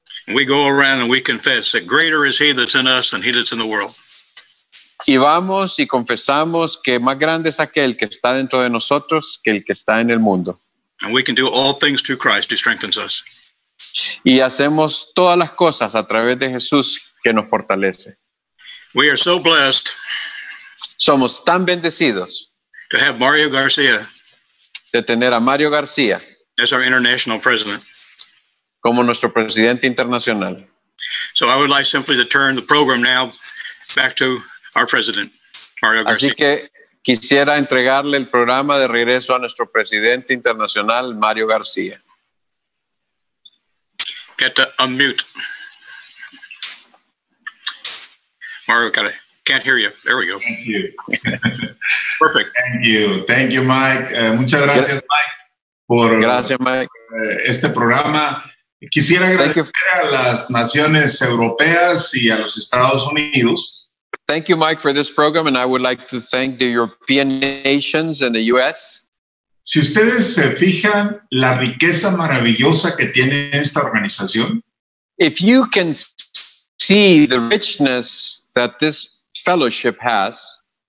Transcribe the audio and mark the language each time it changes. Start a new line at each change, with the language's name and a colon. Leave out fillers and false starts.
English: We go around and we confess that greater is He that's in us than He that's in the world.
Spanish: Y vamos y confesamos que más grande es aquel que está dentro de nosotros que el que está en el mundo.
English: And we can do all things through Christ who strengthens us.
Spanish: Y hacemos todas las cosas a través de Jesús que nos fortalece.
English: We are so blessed.
Spanish: Somos tan bendecidos.
English: To have Mario Garcia.
Spanish: De tener a Mario García.
English: As our international president.
Spanish: Como nuestro presidente internacional.
English: So I would like simply to turn the program now back to our president, Mario García.
Spanish: Así que quisiera entregarle el programa de regreso a nuestro presidente internacional, Mario García.
English: Get to unmute. Mario, got it. Can't hear you. There we go. Thank you. Perfect. Thank you, Mike.
Spanish: Muchas gracias, Mike, por gracias, Mike. Este programa. Quisiera agradecer a las naciones europeas y a los Estados Unidos.
English: Thank you, Mike, for this program, and I would like to thank the European nations and the U.S.
Spanish: Si ustedes se fijan la riqueza maravillosa que tiene esta organización.
English: If you can see the richness that this fellowship has.